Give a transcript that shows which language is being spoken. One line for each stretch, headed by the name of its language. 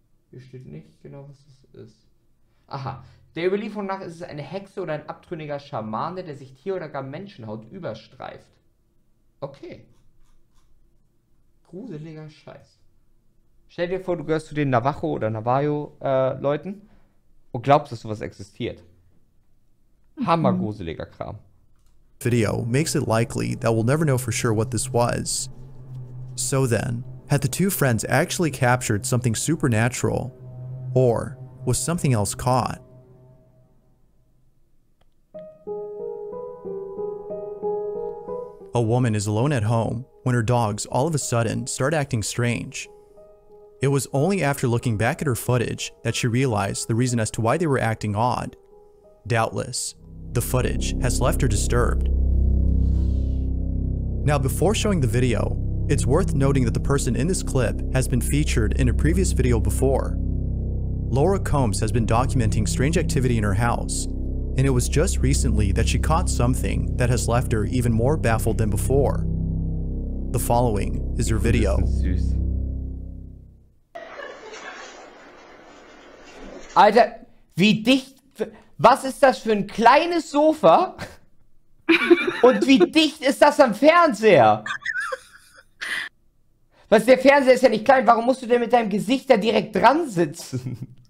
German: Hier steht nicht genau, was das ist. Aha. Der Überlieferung nach ist es eine Hexe oder ein abtrünniger Schamane, der sich Tier- oder gar Menschenhaut überstreift. Okay. Gruseliger Scheiß. Stell dir vor, du gehörst zu den Navajo- oder Navajo-Leuten. Und glaubst, dass sowas existiert? Hammer gruseliger Kram.
English: Video makes it likely that we'll never know for sure what this was. So then, had the two friends actually captured something supernatural? Or was something else caught? A woman is alone at home when her dogs all of a sudden start acting strange. It was only after looking back at her footage that she realized the reason as to why they were acting odd. Doubtless, the footage has left her disturbed. Now, before showing the video, it's worth noting that the person in this clip has been featured in a previous video before. Laura Combs has been documenting strange activity in her house, and it was just recently that she caught something that has left her even more baffled than before. The following is her video.
German: Alter, wie dicht, was ist das für ein kleines Sofa und wie dicht ist das am Fernseher? Was, der Fernseher ist ja nicht klein, warum musst du denn mit deinem Gesicht da direkt dran sitzen?